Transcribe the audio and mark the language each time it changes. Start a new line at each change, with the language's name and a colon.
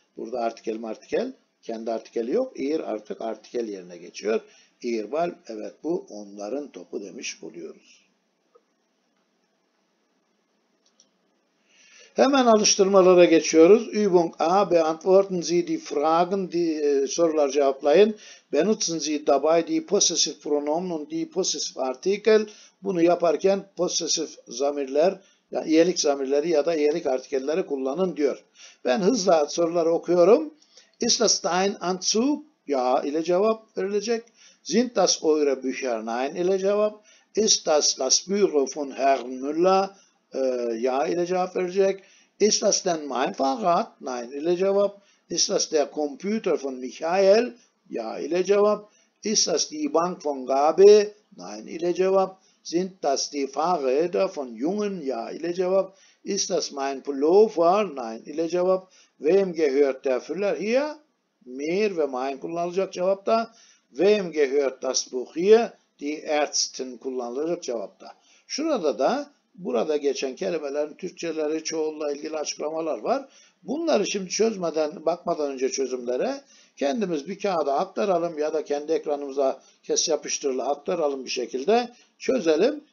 Turkish: Burada artikel martikel, kendi artikeli yok. Ihr artık artikel yerine geçiyor. Ihr Ball, evet bu onların topu demiş oluyoruz. Hemen alıştırmalara geçiyoruz.
German: Übung A, beantworten Sie die Fragen, die,
Turkish: sorular cevaplayın.
German: Benutzen Sie dabei die possessive pronomen und die possessive artikel.
Turkish: Bunu yaparken possessive zamirler, yani iyelik zamirleri ya da iyelik artikelleri kullanın diyor. Ben hızla soruları okuyorum.
German: Ist das dein Anzug? Ja
Turkish: ile cevap verilecek.
German: Sind das eure Bücher? Nein
Turkish: ile cevap.
German: Ist das das Büro von Herrn Müller? Ja
Turkish: ile cevap verecek.
German: Ist das denn mein Fahrrad? Nein
Turkish: ile cevap.
German: Ist das der Computer von Michael? Ja
Turkish: ile cevap.
German: Ist das die Bank von Gabi? Nein
Turkish: ile cevap.
German: Sind das die Fahrräder von Jungen? Ja ile cevap. Ist das mein Pullover? Nein
Turkish: ile cevap.
German: Wem gehört der Füller hier?
Turkish: Mir ve mein kullanılacak cevapta.
German: Wem gehört das Buch hier?
Turkish: Die Ärztin kullanılacak cevapta. Şurada da burada geçen kelimelerin Türkçeleri, çoğulla ilgili açıklamalar var. Bunları şimdi çözmeden, bakmadan önce çözümlere kendimiz bir kağıda aktaralım ya da kendi ekranımıza kes yapıştırılı aktaralım bir şekilde çözelim.